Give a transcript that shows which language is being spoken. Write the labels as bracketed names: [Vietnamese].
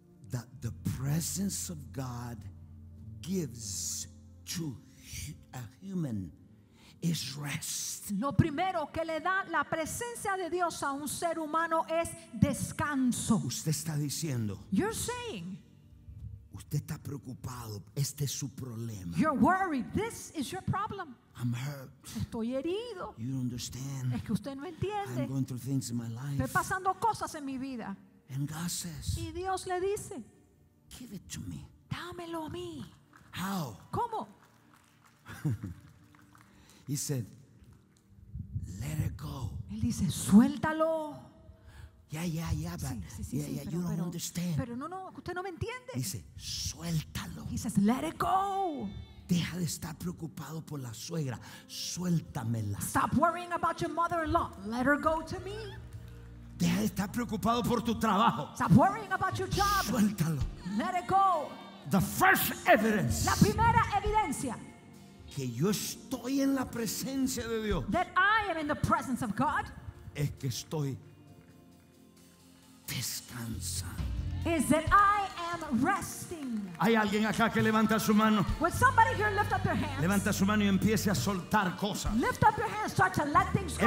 [English] that the presence of God gives to a human is rest. [Spanish] Lo primero que le da la presencia de Dios a un ser humano es descanso. Usted está diciendo, [English] you're saying, [Spanish] usted está preocupado, este es su problema. [English] You're worried, this is your problem. I'm hurt. [Spanish] Estoy herido. [English] You don't understand. [Spanish] Es que usted no entiende. [English] I'm going through things in my life. [Spanish] Estoy pasando cosas en mi vida. [English] And God says, [Spanish] y Dios le dice, [English] give it to me. [Spanish] Dámelo a mí. [English] How? [Spanish] ¿Cómo? [English] He said, let it go. [Spanish] Él dice, suéltalo. [English] Yeah, yeah, yeah, but [Spanish] sí, [English] yeah, yeah, [Spanish] pero, [English] you don't understand. [Spanish] Pero no, usted no me entiende. Dice, suéltalo. [English] He says, let it go. [Spanish] Deja de estar preocupado por la suegra. Suéltamela. [English] Stop worrying about your mother-in-law. Let her go to me. [Spanish] Deja de estar preocupado por tu trabajo. [English] Stop worrying about your job. [Spanish] Suéltalo. [English] Let it go. The first evidence. [Spanish] La primera evidencia. Que yo estoy en la presencia de Dios. [English] That I am in the presence of God. [Spanish] Es que estoy descansa. [English] Is that I am resting. [Spanish] Hay alguien acá que levanta su mano. [English] Would somebody here lift up their hands? [Spanish] Levanta su mano y empiece a soltar cosas. [English] Lift up your hands, start to let things go.